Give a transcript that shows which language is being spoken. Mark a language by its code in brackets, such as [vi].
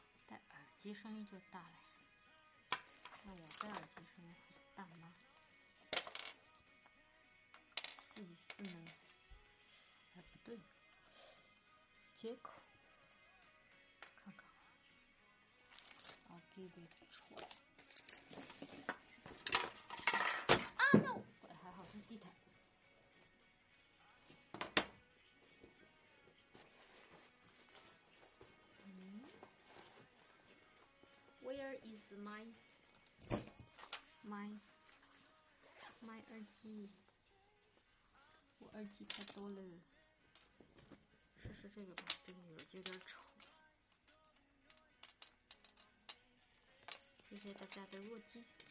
[zh] 耳机声音就大了呀，那我的耳机声音会大吗？试一试呢？哎，不对，接口，看看， [en] I'll give it a try。 [zh] 啊，no！ 还好是地毯。 [en] Where is my 耳机？ [zh] 我耳机太多了，试试这个吧，这个耳机有点丑。谢谢大家的弱鸡。